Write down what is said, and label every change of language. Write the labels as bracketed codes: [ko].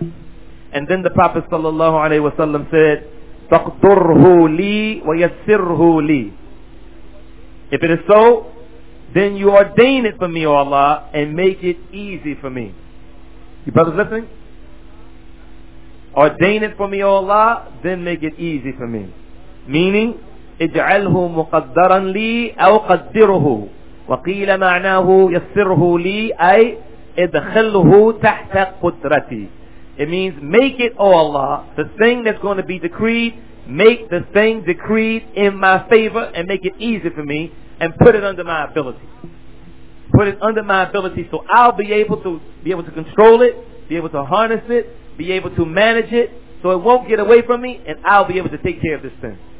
[en] And then the Prophet sallallahu alaihi wasallam said, [ar] "Taqdurhu li wa yassirhu li." [en] If it is so, then you ordain it for me, O Allah, and make it easy for me. You brothers listening? Ordain it for me, O Allah, then make it easy for me. [ar] Meaning, اجعله مقدرا لي أو قدره. وقيل معناه يسره لي أي ادخله تحت قدرتي. [en] It means, make it, O Allah, the thing that's going to be decreed, make the thing decreed in my favor and make it easy for me and put it under my ability. Put it under my ability so I'll be able to control it, be able to harness it, be able to manage it, so it won't get away from me, and I'll be able to take care of this thing.